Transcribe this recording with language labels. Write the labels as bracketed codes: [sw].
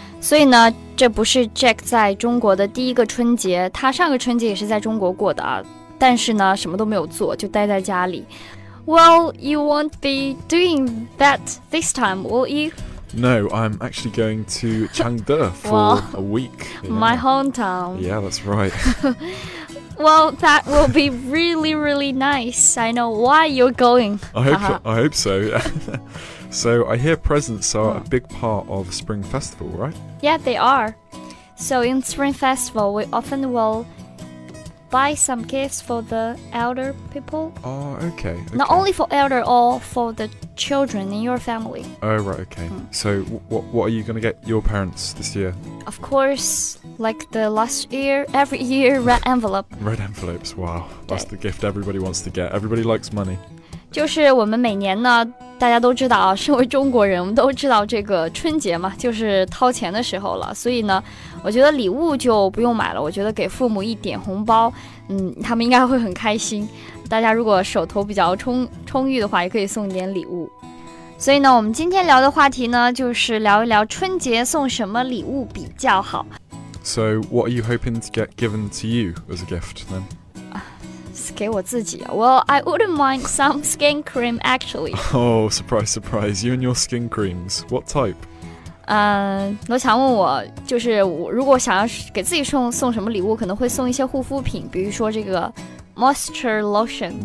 [zh] 所以呢，这不是 Jack 在中国的第一个春节，他上个春节也是在中国过的啊。但是呢，什么都没有做，就待在家里。 [en] Well, you won't be doing that this time, will you? No, I'm actually going to Chengde for a week. Yeah. My hometown. Yeah, that's right. Well, that will be really, really nice. I know why you're going. I hope so. So I hear presents are a big part of Spring Festival, right? Yeah, they are. So in Spring Festival, we often will... buy some gifts for the elder people. Oh, okay. Not only for elder, or for the children in your family. Oh, right, okay. So, what are you going to get your parents this year? Of course, like the last year, every year, red envelope. Red envelopes, wow. That's the gift everybody wants to get. Everybody likes money. [zh] 就是我们每年呢，大家都知道啊，身为中国人，我们都知道这个春节嘛，就是掏钱的时候了。所以呢，我觉得礼物就不用买了。我觉得给父母一点红包，他们应该会很开心。大家如果手头比较充裕的话，也可以送一点礼物。所以呢，我们今天聊的话题呢，就是聊一聊春节送什么礼物比较好。 [en] So what are you hoping to get given to you as a gift then? [zh] 给我自己啊 [en] Well, I wouldn't mind some skin cream, actually. Oh, surprise, surprise. You and your skin creams. What type? [zh] 罗强问我，就是我如果想要给自己送什么礼物，可能会送一些护肤品，比如说这个 moisture lotion.